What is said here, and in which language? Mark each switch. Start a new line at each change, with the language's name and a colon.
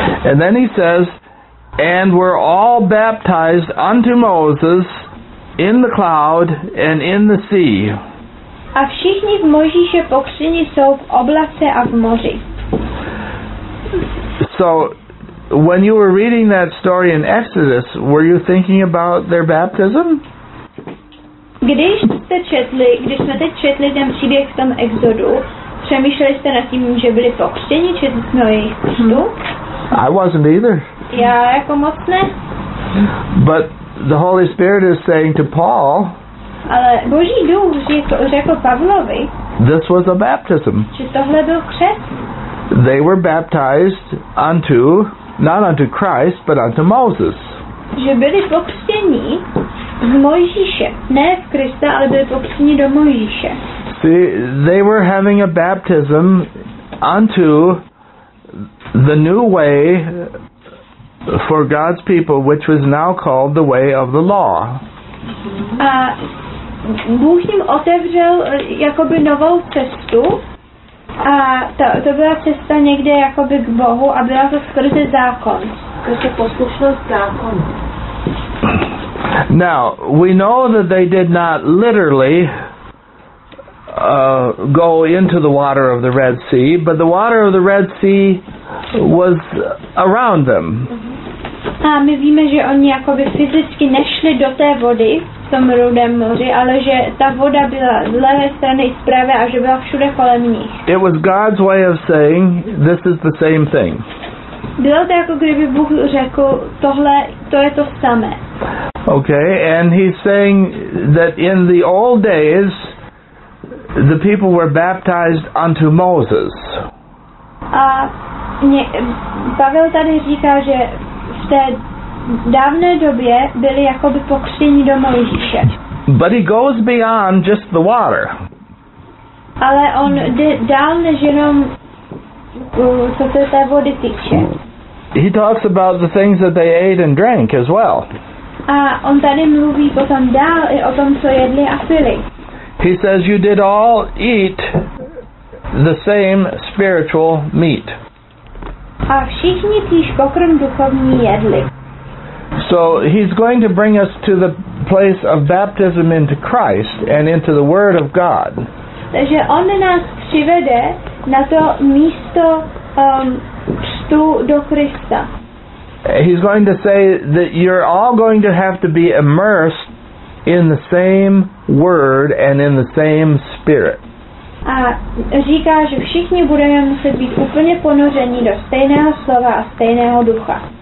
English: And then he says, and were all baptized unto Moses in the cloud and in the sea.
Czech: A všichni v Mojžíše pokřtěni jsou v oblace a v moři.
English: So, when you were reading that story in Exodus, were you thinking about their baptism?
Czech: Když jsme teď četli ten příběh v tom Exodu, přemýšleli jste nad tím, že byli pokřtěni, četli jsme o jejich křtu?
English: I wasn't either.
Czech: Já jako moc ne.
English: But the Holy Spirit is saying to Paul,
Czech: ale Boží duch řekl Pavlovi,
English: this was a baptism.
Czech: Že tohle byl křest.
English: They were baptized unto, not unto Christ, but unto Moses.
Czech: Že byli pokřtěni v Mojžíše, ne v Krista, ale byli pokřtěni do Mojžíše.
English: See, they were having a baptism unto the new way for God's people, which was now called the way of the law.
Czech: A Bůh jim otevřel jakoby novou cestu. A to byla cesta někde jakoby k Bohu a byla to skrze zákon, skrze poslušnost zákonu.
English: Now, we know that they did not literally go into the water of the Red Sea, but the water of the Red Sea was around them.
Czech: A my víme, že oni jakoby fyzicky nešli do té vody v tom Rudém moři, ale že ta voda byla z levé strany i z pravé a že byla všude kolem nich.
English: It was God's way of saying, this is the same thing.
Czech: Bylo to jako kdyby Bůh řekl, tohle, to je to samé.
English: Okay, and he's saying that in the old days, the people were baptized unto Moses.
Czech: A Pavel tady říká, že v té dávné době byli jakoby pokřtěni do Mojžíše.
English: But he goes beyond just the water.
Czech: Ale on jde dál než jenom co se té vody týče.
English: He talks about the things that they ate and drank as well.
Czech: A on tady mluví potom dál i o tom, co jedli a pili.
English: He says you did all eat the same spiritual meat.
Czech: A všichni týž pokrm duchovní jedli.
English: So he's going to bring us to the place of baptism into Christ and into the Word of God.
Czech: Takže on nás přivede na to místo křtu do Krista.
English: He's going to say that you're all going to have to be immersed in the same Word and in the same Spirit.
Czech: A říká, že všichni budeme muset být úplně ponořeni do stejného slova a stejného ducha.